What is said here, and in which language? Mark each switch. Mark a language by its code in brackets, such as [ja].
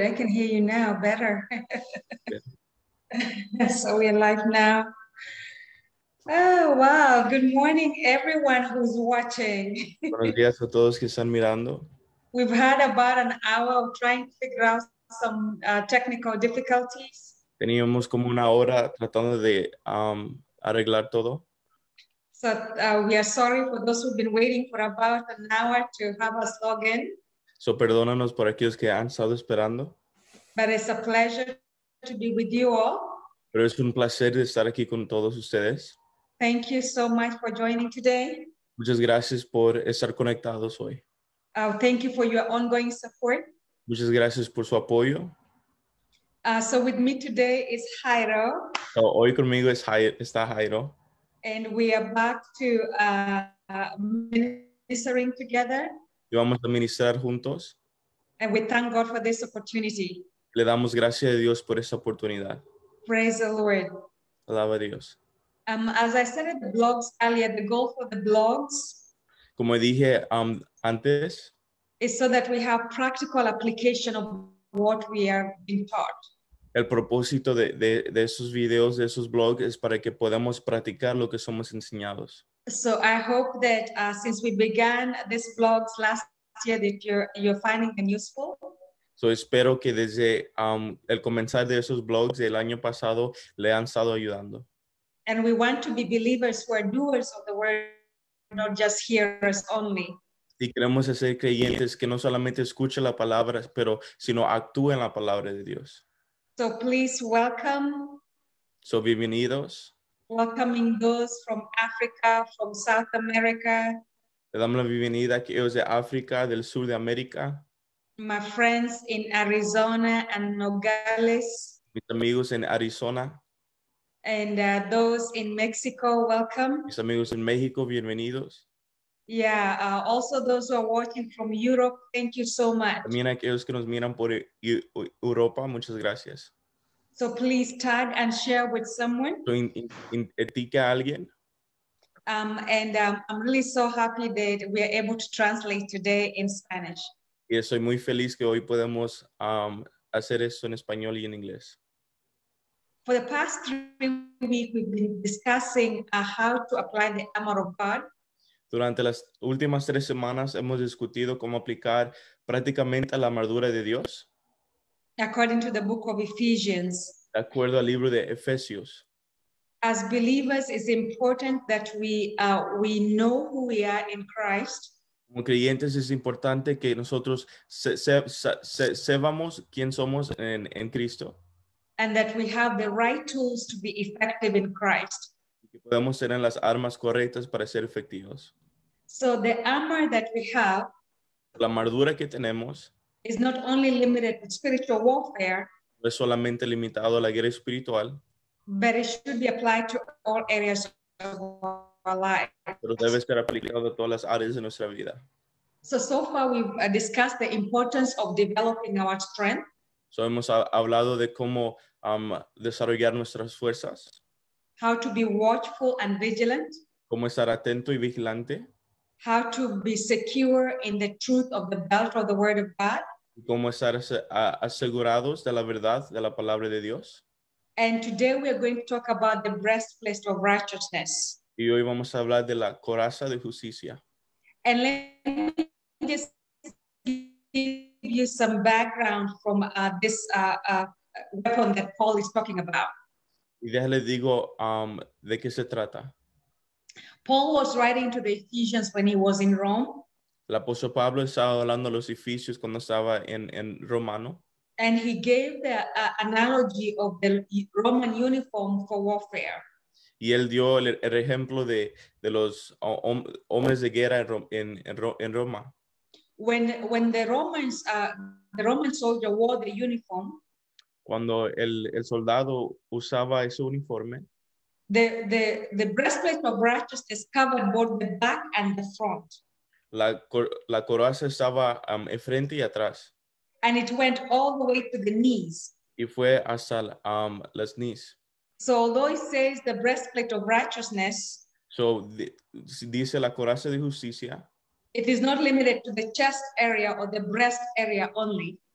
[en] I can hear you now better. So we're live now. Oh, wow. Good morning, everyone who's watching. [es] Buenos días a todos que están mirando. [en] We've had about an hour of trying to figure out some technical difficulties. [es] Teníamos como una hora tratando de arreglar todo. [en] So we are sorry for those who've been waiting for about an hour to have us log in. [es] So perdónanos por aquellos que han estado esperando. [en] But it's a pleasure to be with you all. [es] Pero es un placer estar aquí con todos ustedes. [en] Thank you so much for joining today. [es] Muchas gracias por estar conectados hoy. [en] Thank you for your ongoing support. [es] Muchas gracias por su apoyo. [en] So with me today is Jairo. [es] Hoy conmigo está Jairo. [en] And we are back to ministering together. [es] Y vamos a ministrar juntos. [en] And we thank God for this opportunity. [es] Le damos gracias a Dios por esta oportunidad. [en] Praise the Lord. [es] Alaba a Dios. [en] As I said at the blogs earlier, the goal for the blogs [es] Como dije antes, [en] is so that we have practical application of what we are being taught. [es] el propósito de esos videos, de esos blogs, es para que podamos practicar lo que somos enseñados. [en] So I hope that since we began these blogs last year, that you're finding them useful. [es] So espero que desde el comenzar de esos blogs del año pasado le han estado ayudando. [en] And we want to be believers who are doers of the word, not just hearers only. [es] Y queremos hacer creyentes que no solamente escuchen la palabra, pero sino actúen la palabra de Dios. [en] So please welcome, [es] So, bienvenidos. [en] welcoming those from Africa, from South America. [es] Le damos la bienvenida a aquellos de África, del sur de América. [en] My friends in Arizona and Nogales. [es] Mis amigos en Arizona. [en] And those in Mexico, welcome. [es] Mis amigos en México, bienvenidos. [en] Yeah, also those who are watching from Europe, thank you so much. [es] También aquellos que nos miran por Europa, muchas gracias. [en] So please tag and share with someone. [es] Etiqueta a alguien. [en] I'm really so happy that we are able to translate today in Spanish. [es] Y estoy muy feliz que hoy podemos hacer esto en español y en inglés. [en] For the past 3 weeks, we've been discussing how to apply the armor of God. [es] Durante las últimas 3 semanas hemos discutido cómo aplicar prácticamente la armadura de Dios. [en] According to the book of Ephesians, [es] De acuerdo al libro de Efesios. [en] as believers, it's important that we know who we are in Christ. [es] Como creyentes es importante que nosotros sepamos quién somos en Cristo. [en] And that we have the right tools to be effective in Christ. [es] Y que podemos tener las armas correctas para ser efectivos. [en] So the armor that we have [es] La armadura que tenemos [en] is not only limited to spiritual warfare, [es] no es solamente limitado a la guerra espiritual, [en] but it should be applied to all areas of our lives. [es] pero debe ser aplicado a todas las áreas de nuestra vida. [en] So far we've discussed the importance of developing our strength. [es] So hemos hablado de cómo desarrollar nuestras fuerzas, [en] How to be watchful and vigilant. [es] cómo estar atento y vigilante, [en] How to be secure in the truth of the belt of the word of God. [es] y cómo estar asegurados de la verdad de la palabra de Dios. [en] And today we are going to talk about the breastplate of righteousness. [es] Y hoy vamos a hablar de la coraza de justicia. [en] And let me just give you some background from this weapon that Paul is talking about. [es] Y déjale digo de qué se trata. [en] Paul was writing to the Ephesians when he was in Rome. [es] El apóstol Pablo estaba hablando a los Efesios cuando estaba en Romano. [en] And he gave the analogy of the Roman uniform for warfare. [es] Y él dio el ejemplo de los hombres de guerra en Roma. [en] When the Roman soldier wore the uniform, [es] Cuando el soldado usaba ese uniforme, [en] The breastplate of righteousness covered both the back and the front. [es] La coraza estaba enfrente y atrás. [en] And it went all the way to the knees. [es] Y fue hasta las knees. [en] So although it says the breastplate of righteousness, [es] dice la coraza de justicia, [en] it is not limited to the chest area or the breast area only.